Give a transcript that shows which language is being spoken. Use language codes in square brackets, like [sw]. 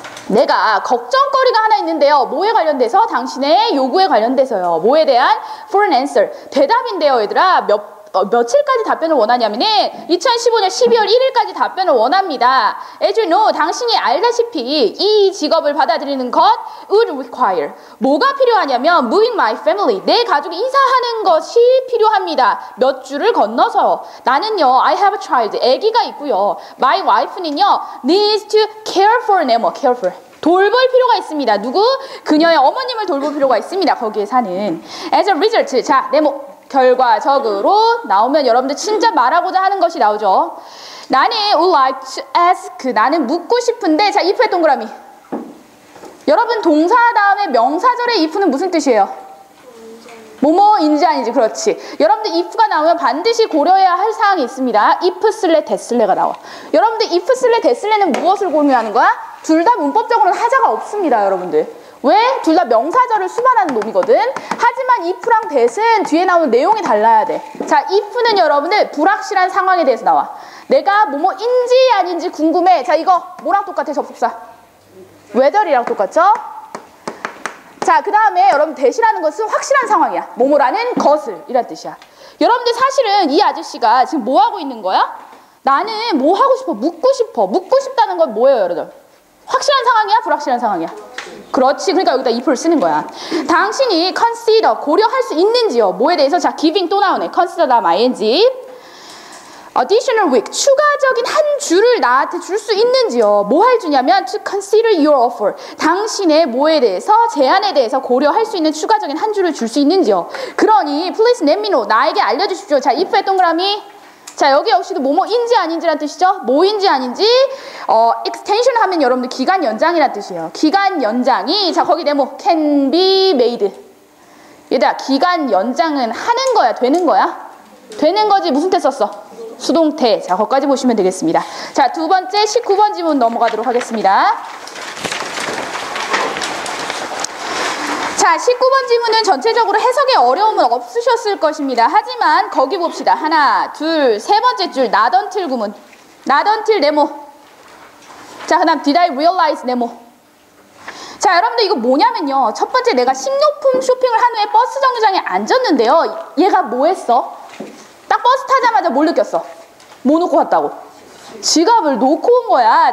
[ko] 내가 걱정거리가 하나 있는데요. 뭐에 관련돼서? 당신의 요구에 관련돼서요. 뭐에 대한? [en] For an answer. [ko] 대답인데요, 얘들아. 며칠까지 답변을 원하냐면은 2015년 12월 1일까지 답변을 원합니다. [en] As you know, [ko] 당신이 알다시피 이 직업을 받아들이는 것 [en] would require. [ko] 뭐가 필요하냐면 [en] moving my family. [ko] 내 가족이 이사하는 것이 필요합니다. 몇 줄을 건너서 나는요, [en] I have a child. [ko] 아기가 있고요. [en] My wife는요, needs to care for them. Careful. [ko] 돌볼 필요가 있습니다. 누구? 그녀의 어머님을 돌볼 필요가 있습니다. 거기에 사는. [en] As a result. [ko] 자, 네모. 결과적으로 나오면 여러분들 진짜 말하고자 하는 것이 나오죠. 나는 [en] would like to ask. [ko] 나는 묻고 싶은데. 자, if의 동그라미. 여러분, 동사 다음에 명사절의 if는 무슨 뜻이에요? 뭐뭐인지 아니지. 그렇지. 여러분들 if가 나오면 반드시 고려해야 할 사항이 있습니다. if 슬래 that 슬래가 나와. 여러분들 if 슬래 that 슬래는 무엇을 고려하는 거야? 둘 다 문법적으로는 하자가 없습니다, 여러분들. 왜? 둘 다 명사절을 수반하는 놈이거든. 하지만 if랑 that은 뒤에 나오는 내용이 달라야 돼. 자, if는 여러분들 불확실한 상황에 대해서 나와. 내가 뭐뭐인지 아닌지 궁금해. 자, 이거 뭐랑 똑같아? 접속사 whether이랑 똑같죠? 자, 그 다음에 여러분 that이라는 것은 확실한 상황이야. 뭐뭐라는 것을 이란 뜻이야. 여러분들 사실은 이 아저씨가 지금 뭐하고 있는 거야? 나는 뭐하고 싶어? 묻고 싶어. 묻고 싶다는 건 뭐예요, 여러분? 확실한 상황이야? 불확실한 상황이야? 그렇지. 그러니까 여기다 if를 쓰는 거야. 당신이 consider, 고려할 수 있는지요. 뭐에 대해서? 자, giving 또 나오네. [en] consider 다음 ing. additional week. [ko] 추가적인 한 주를 나한테 줄 수 있는지요. 뭐 할 주냐면 [en] to consider your offer. [ko] 당신의 뭐에 대해서? 제안에 대해서 고려할 수 있는 추가적인 한 주를 줄 수 있는지요. 그러니 [en] please let me know. [ko] 나에게 알려주십시오. 자, if의 동그라미. 자, 여기 역시도 뭐뭐인지 아닌지란 뜻이죠? 뭐인지 아닌지? extension 하면 여러분들 기간 연장이란 뜻이에요. 기간 연장이, 자, 거기 네모, [en] can be made. [ko] 얘들아, 기간 연장은 하는 거야, 되는 거야? 되는 거지, 무슨 태 썼어? 수동태. 자, 거기까지 보시면 되겠습니다. 자, 두 번째 19번 지문 넘어가도록 하겠습니다. 자, 19번 지문은 전체적으로 해석에 어려움은 없으셨을 것입니다. 하지만 거기 봅시다. 하나, 둘, 세 번째 줄. [en] Not until 구문. Not until [ko] 네모. 자, 그 다음 [en] Did I realize [ko] 네모. 자, 여러분들 이거 뭐냐면요. 첫 번째, 내가 식료품 쇼핑을 한 후에 버스 정류장에 앉았는데요. 얘가 뭐 했어? 딱 버스 타자마자 뭘 느꼈어? 뭐 놓고 갔다고? 지갑을 놓고 온 거야.